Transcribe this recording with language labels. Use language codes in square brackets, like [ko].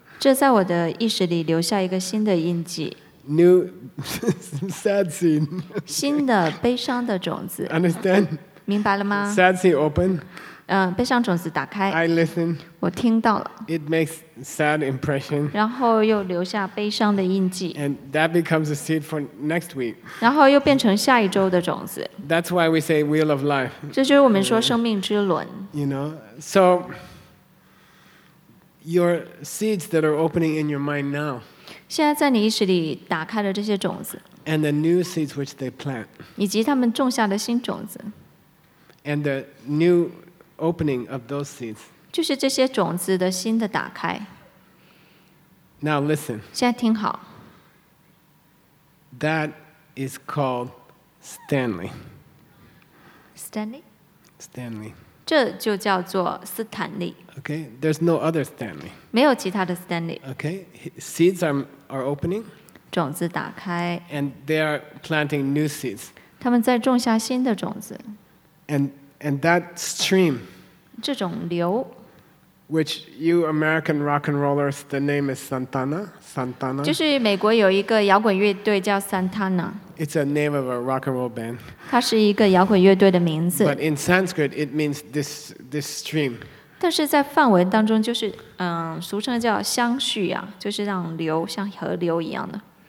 [zh] 这在我的意识里留下一个新的印记 [en] New sad seed. [zh] 新的悲伤的种子 [en] Understand? [zh] 明白了吗 [en] Sad seed open. [zh] 悲伤种子打开 [en] I listen. [zh] 我听到了 [en] It makes sad impression. [zh] 然后又留下悲伤的印记 [en] And that becomes a seed for next week. [zh] 然后又变成下一周的种子 [en] That's why we say wheel of life. [zh] 这就是我们说生命之轮 [en] You know, so your seeds that are opening in your mind now. [zh] 现在在你意识里打开了这些种子 [en] And the new seeds which they plant. [zh] 以及他们种下的新种子 [en] And the newOpening of those seeds. [zh] 就是这些种子的新的打开。 [en] Now listen. [zh] 现在听好。 [en] That is called Stanley. Stanley? Stanley. [zh] 这就叫做斯坦利。 [en] Okay, there's no other Stanley. [zh] 没有其他的 Stanley. [en] Okay, seeds are opening. [zh] 种子打开。 [en] And they are planting new seeds. [zh] 他们在种下新的种子。 [en] And that stream, [zh] 这种流 [en] which you American rock and rollers, the name is Santana. [zh] 就是美国有一个摇滚乐队叫 Santana. [en] It's a name of a rock and roll band. [zh] 它是一个摇滚乐队的名字。 [en] But in Sanskrit, it means this stream. [zh] 但是在梵文当中，就是俗称叫相续啊，就是让流像河流一样的。